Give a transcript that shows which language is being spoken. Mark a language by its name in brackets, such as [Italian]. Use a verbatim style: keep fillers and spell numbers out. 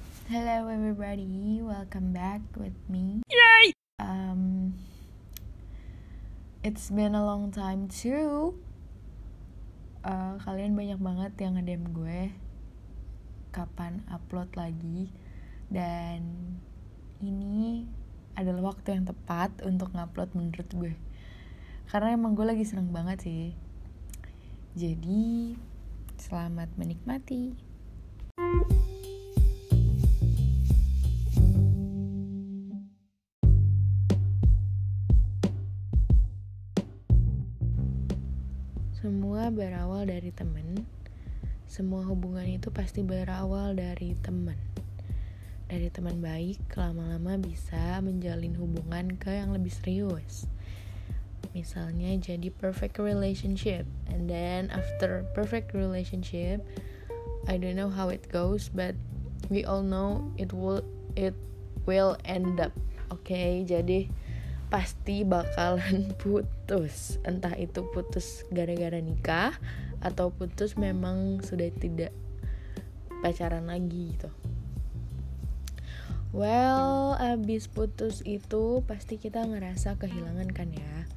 [English] Hello everybody, welcome back with me. Yay! Um, It's been a long time too. [Indonesian] Uh, kalian banyak banget yang nge-D M gue kapan upload lagi, dan ini adalah waktu yang tepat untuk ngupload menurut gue. Karena emang gue lagi seneng banget sih. Jadi selamat menikmati. Semua berawal dari temen. Semua hubungan itu pasti berawal dari temen. Dari teman baik, lama-lama bisa menjalin hubungan ke yang lebih serius. Misalnya jadi [English] perfect relationship, and then after perfect relationship, I don't know how it goes, but we all know it will it will end up. [Indonesian] Oke, jadi pasti bakalan putus. Entah itu putus gara-gara nikah atau putus memang sudah tidak pacaran lagi gitu. Well, abis putus itu pasti kita ngerasa kehilangan kan ya.